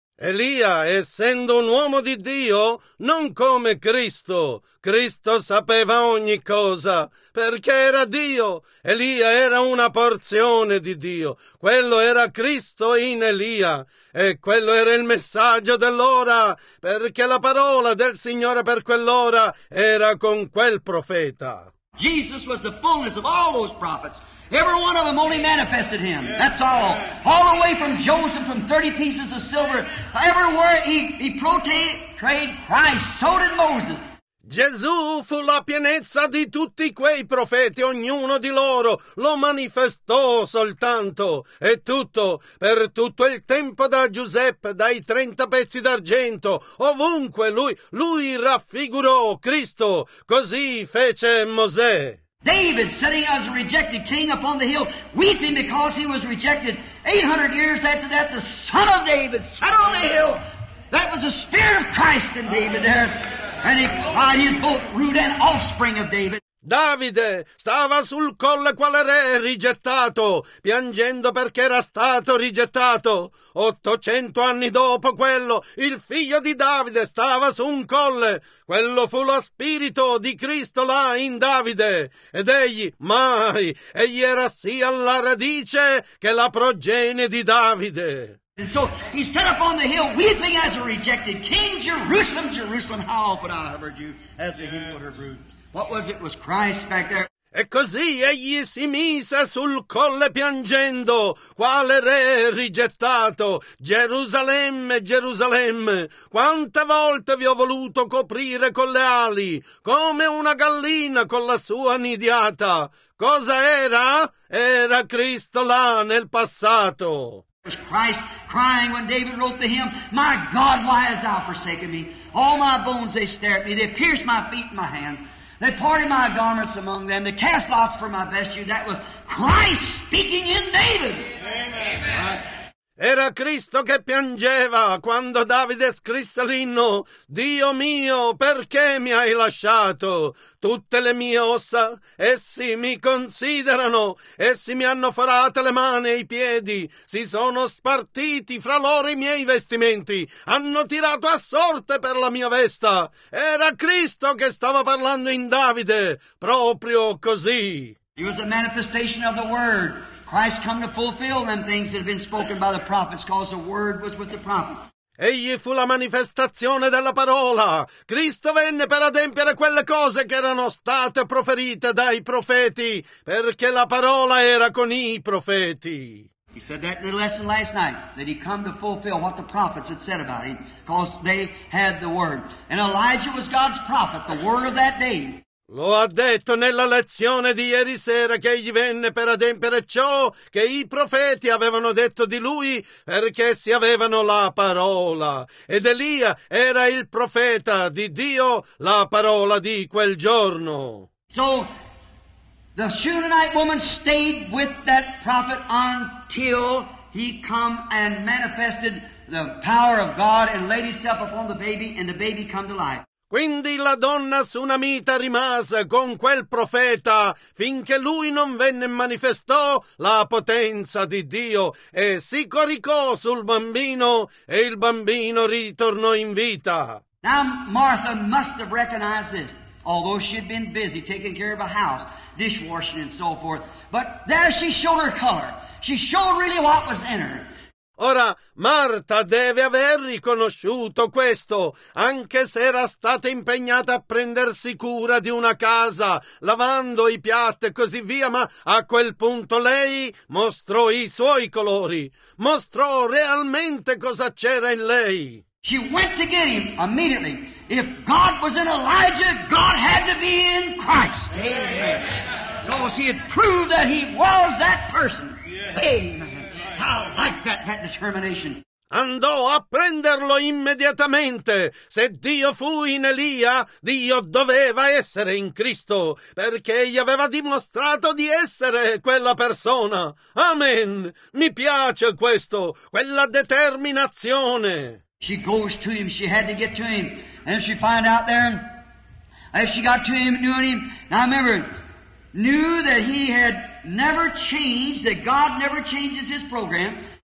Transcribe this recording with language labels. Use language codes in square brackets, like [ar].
[it] Elia, essendo un uomo di Dio, non come Cristo. Cristo sapeva ogni cosa, perché era Dio. Elia era una porzione di Dio. Quello era Cristo in Elia. E quello era il messaggio dell'ora, perché la parola del Signore per quell'ora era con quel profeta. [en] Jesus was the fullness of all those prophets. Every one of them only manifested him. That's all. All the way from Joseph, from 30 pieces of silver. Everywhere he portrayed Christ, so did Moses. [it] Gesù fu la pienezza di tutti quei profeti, ognuno di loro lo manifestò soltanto. E tutto, per tutto il tempo da Giuseppe, dai 30 pezzi d'argento, ovunque lui raffigurò Cristo, così fece Mosè. [en] David, sitting as a rejected king upon the hill, weeping because he was rejected. 800 years after that, the son of David sat on the hill. That was the spirit of Christ in David there. And he cried, he's both root and offspring of David. [it] Davide stava sul colle quale re rigettato, piangendo perché era stato rigettato. 800 anni dopo quello, il figlio di Davide stava su un colle. Quello fu lo spirito di Cristo là in Davide. Ed egli era sia la radice che la progenie di Davide. [en] And so he sat upon the hill, weeping as a rejected king, Jerusalem, Jerusalem, how often I have heard you as a hymn of her brood. What was it? Was Christ back there. [it] E così egli si mise sul colle piangendo, quale re rigettato, Gerusalemme, Gerusalemme, quante volte vi ho voluto coprire con le ali, come una gallina con la sua nidiata. Cosa era? Era Cristo là nel passato. [en] Was Christ crying when David wrote the hymn, my God, why hast thou forsaken me? All my bones, they stare at me. They pierced my feet and my hands. They parted my garments among them. They cast lots for my vesture. That was Christ speaking in David. Amen. Amen. [it] Era Cristo che piangeva quando Davide scrisse l'inno: Dio mio, perché mi hai lasciato? Tutte le mie ossa, essi mi considerano, essi mi hanno forate le mani e i piedi, si sono spartiti fra loro i miei vestimenti, hanno tirato a sorte per la mia vesta. Era Cristo che stava parlando in Davide, proprio così. [en] He was a manifestation of the word. Christ come to fulfill them things that have been spoken by the prophets, because the word was with the prophets. [it] Egli fu la manifestazione della parola. Cristo venne per adempiere quelle cose che erano state proferite dai profeti, perché la parola era con i profeti. [en] He said that little lesson last night, that he come to fulfill what the prophets had said about him, because they had the word. And Elijah was God's prophet, the word of that day. [it] Lo ha detto nella lezione di ieri sera che egli venne per adempiere ciò che i profeti avevano detto di lui, perché essi avevano la parola. Ed Elia era il profeta di Dio, la parola di quel giorno. [en] So, the Shunammite woman stayed with that prophet until he come and manifested the power of God and laid himself upon the baby and the baby come to life. [it] Quindi la donna sunamita rimase con quel profeta finché lui non venne e manifestò la potenza di Dio e si coricò sul bambino e il bambino ritornò in vita. [en] Now Martha must have recognized this, although she had been busy taking care of a house, dishwashing and so forth, but there she showed her color. She showed really what was in her. [it] Ora, Marta deve aver riconosciuto questo, anche se era stata impegnata a prendersi cura di una casa, lavando i piatti e così via, ma a quel punto lei mostrò i suoi colori, mostrò realmente cosa c'era in lei. [en] She went to get him immediately. If God was in Elijah, God had to be in Christ. Amen. Because he had proved that he was that person. Amen. I like that determination. [it] Andò a prenderlo immediatamente. Se Dio fu in Elia, Dio doveva essere in Cristo, perché gli aveva dimostrato di essere quella persona. Amen. Mi piace questo, quella determinazione. [en] She goes to him, she had to get to him. And she find out there, as she got to him, knew him. Now remember, knew that he had never changed, that God never changes his program.